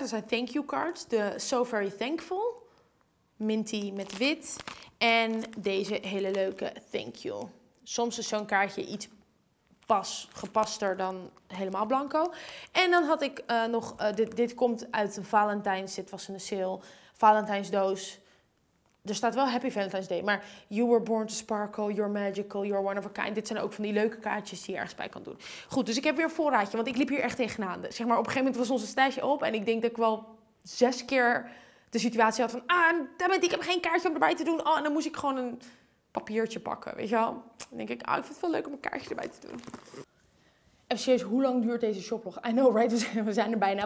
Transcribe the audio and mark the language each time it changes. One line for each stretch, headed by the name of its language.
Dutch: Dat zijn thank you cards. De So Very Thankful. Minty met wit. En deze hele leuke thank you. Soms is zo'n kaartje iets pas gepaster dan helemaal blanco. En dan had ik nog, dit komt uit Valentijns, dit was in de sale. Valentijns doos. Er staat wel
English: Happy Valentine's Day,
Dutch: maar
English: You were born to sparkle, you're magical, you're one of a kind.
Dutch: Dit zijn ook van die leuke kaartjes die je ergens bij kan doen. Goed, dus ik heb weer een voorraadje, want ik liep hier echt tegenaan. Zeg maar, op een gegeven moment was onze stijtje op en ik denk dat ik wel 6 keer... De situatie had van, ik heb geen kaartje om erbij te doen. Oh, en dan moest ik gewoon een papiertje pakken, weet je wel. Dan denk ik, ik vind het wel leuk om een kaartje erbij te doen. Even serieus, hoe lang duurt deze shoplog?
English: I know, right?
Dutch: We zijn er bijna.